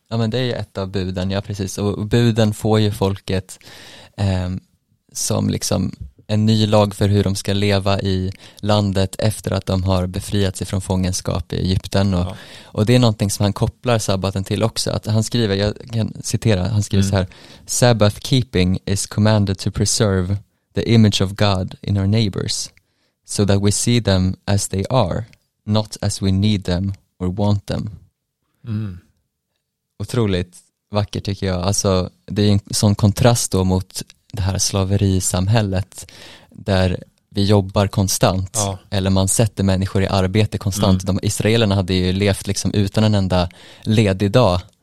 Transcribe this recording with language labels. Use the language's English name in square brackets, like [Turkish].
[Swedish] Ja, men det är ju ett av buden, ja precis. Och buden får ju folket som liksom... En ny lag för hur de ska leva i landet efter att de har befriat sig från fångenskap i Egypten. Ja. Och det är någonting som han kopplar sabbaten till också. Att han skriver, jag kan citera, han skriver så här. [English] Sabbath keeping is commanded to preserve the image of God in our neighbors so that we see them as they are, not as we need them or want them. [Swedish] Otroligt vackert tycker jag. Alltså, det är en sån kontrast då mot det här slaverisamhället där vi jobbar konstant eller man sätter människor i arbete konstant. De israelerna hade ju levt liksom utan en enda ledig dag.